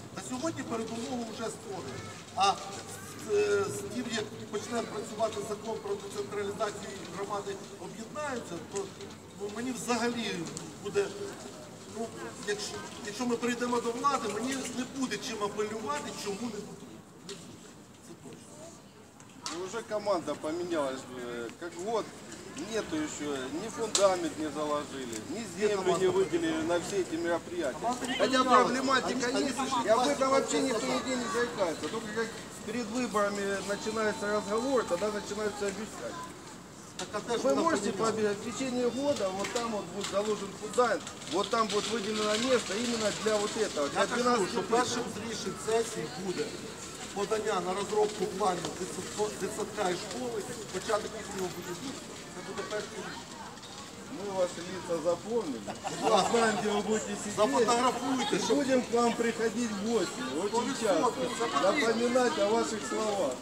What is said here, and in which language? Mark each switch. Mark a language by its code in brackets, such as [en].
[uk] На сьогодні передумови вже створені. А з тим, як почне працювати закон про децентралізацію і громади об'єднаються, то ну, мені взагалі буде, ну, якщо ми прийдемо до влади, мені не буде чим апелювати, чому не буде. [ru] Уже команда поменялась, как год нету еще, ни фундамент не заложили, ни землю не выделили на все эти мероприятия. Хотя проблематика есть, и об этом вообще никто нигде не заикается. Только как перед выборами начинается разговор, тогда начинается обещать. Вы можете пообещать, в течение года вот там вот будет заложен фундамент, вот там будет выделено место именно для вот этого. Я скажу, что первым решить сессии будет. [uk] Подання на розробку планів дитсадка і школи, початок їхнього будівництва, це буде перше рішення. Ми ваші лица запомнили. Ми знаємо, де ви будете сидіти. Зафотографуйте. Будемо к вам приходити в гості. Дуже часто. [ru] Напоминати о ваших словах.